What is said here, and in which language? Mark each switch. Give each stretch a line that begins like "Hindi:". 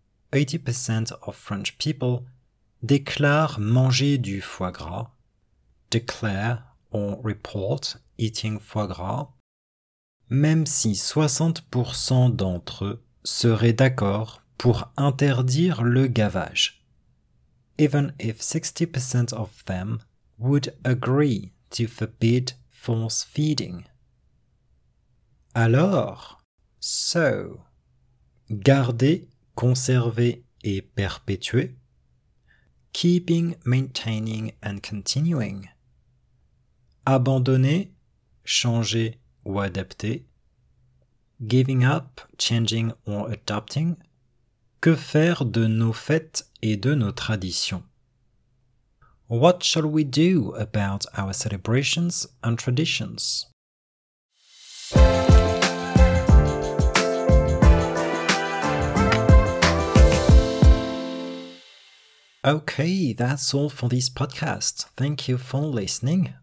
English: 80% of French people,
French: déclarent manger du foie gras,
English: declare or report eating foie gras,
French: même si 60% d'entre eux serait d'accord pour interdire le gavage.
English: Even if 60% of them would agree to forbid force feeding.
French: Alors,
English: so,
French: garder, conserver et perpétuer,
English: keeping, maintaining and continuing,
French: abandonner, changer ou adapter,
English: giving up, changing or adopting.
French: Que faire de nos fêtes et de nos traditions?
English: What shall we do about our celebrations and traditions? Okay, that's all for this podcast. Thank you for listening.